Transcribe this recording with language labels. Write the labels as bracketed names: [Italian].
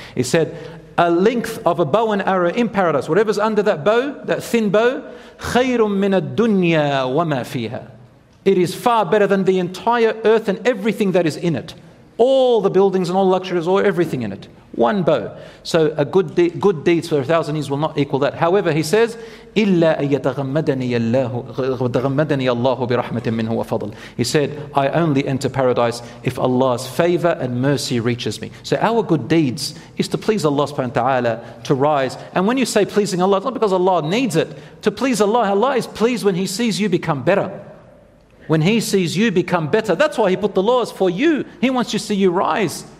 [English] He said, a length of a bow and arrow in paradise, whatever's under that bow, that thin bow, [Arabic] خَيْرٌ مِّنَ الدُّنْيَا وَمَا فِيهَا. [English] It is far better than the entire earth and everything that is in it. All the buildings and all luxuries, all everything in it. One bow. So a good deeds for 1,000 years will not equal that. However, he says, [Arabic] إِلَّا أَيَّتَغَمَّدَنِيَ اللَّهُ بِرَحْمَةٍ مِّنْهُ وَفَضْلٍ. [English] He said, I only enter paradise if Allah's favor and mercy reaches me. So our good deeds is to please Allah subhanahu wa ta'ala, to rise. And when you say pleasing Allah, it's not because Allah needs it. To please Allah, Allah is pleased when He sees you become better. When He sees you become better, that's why He put the laws for you. He wants to see you rise.